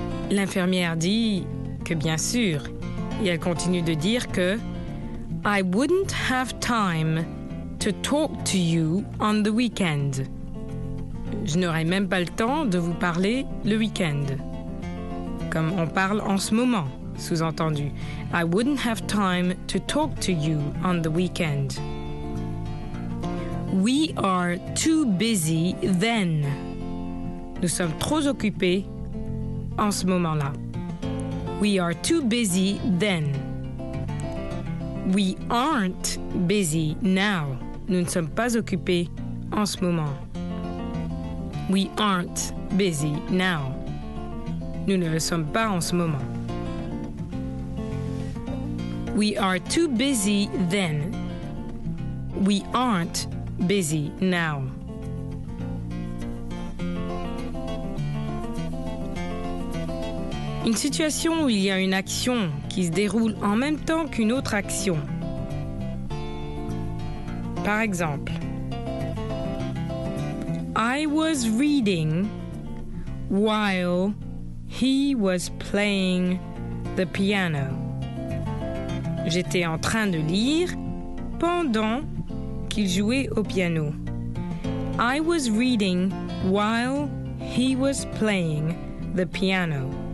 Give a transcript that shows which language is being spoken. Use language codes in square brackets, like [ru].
[fr] L'infirmière dit que bien sûr, et elle continue de dire que « [en] I wouldn't have time to talk to you on the weekend. [fr] » Je n'aurai même pas le temps de vous parler le week-end. Comme on parle en ce moment, sous-entendu. [en] « I wouldn't have time to talk to you on the weekend. » We are too busy then. [fr] Nous sommes trop occupés en ce moment-là. [en] We are too busy then. We aren't busy now. [fr] Nous ne sommes pas occupés en ce moment. [en] We aren't busy now. [fr] Nous ne le sommes pas en ce moment. [en] We are too busy then. We aren't busy now. [fr] Une situation où il y a une action qui se déroule en même temps qu'une autre action. Par exemple, [en] I was reading while he was playing the piano. [fr] J'étais en train de lire pendant qu'il jouait au piano. [en] I was reading while he was playing the piano.